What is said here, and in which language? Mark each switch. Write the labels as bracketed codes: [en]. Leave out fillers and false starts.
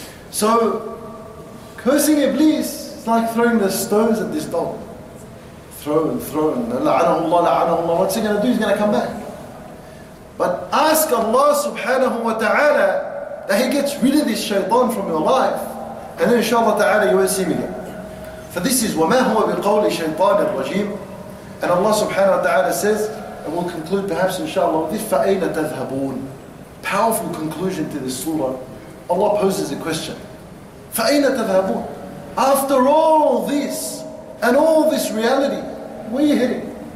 [en] So, cursing Iblis is like throwing the stones at this dog. Throw and throw and la'anahullah, la'anahullah. What's he going to do? He's going to come back. But ask Allah subhanahu wa ta'ala that he gets rid of this shaitan from your life. And then inshallah ta'ala you won't see him again. For this is [ar] وَمَا هُوَ بِالْقَوْلِ شَيْطَانِ الرَّجِيمِ. [en] And Allah subhanahu wa ta'ala says, and we'll conclude perhaps inshallah with this, [ar] فَأَيْنَ تَذْهَبُونَ. [en] Powerful conclusion to this surah. Allah poses a question. [ar] فَأَيْنَ تَذْهَبُونَ. [en] After all this, and all this reality, where are you heading?